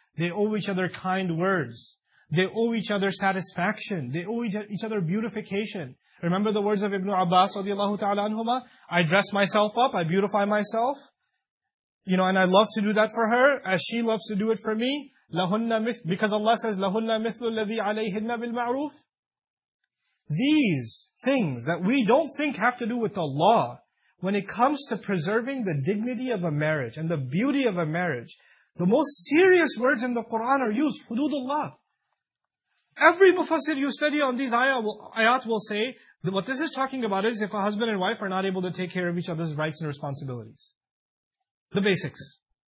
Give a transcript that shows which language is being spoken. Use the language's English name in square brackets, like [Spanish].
[English] They owe each other kind words. They owe each other satisfaction. They owe each other beautification. Remember the words of Ibn Abbas radiallahu ta'ala anhuma? I dress myself up, I beautify myself. You know, and I love to do that for her, as she loves to do it for me. Because Allah says, [Arabic] لَهُنَّ مِثْلُ الَّذِي عَلَيْهِنَّ بِالْمَعْرُوفِ. [English] These things that we don't think have to do with the law, when it comes to preserving the dignity of a marriage and the beauty of a marriage, the most serious words in the Quran are used, hududullah. Every mufassir you study on these ayat will say that what this is talking about is if a husband and wife are not able to take care of each other's rights and responsibilities. The basics.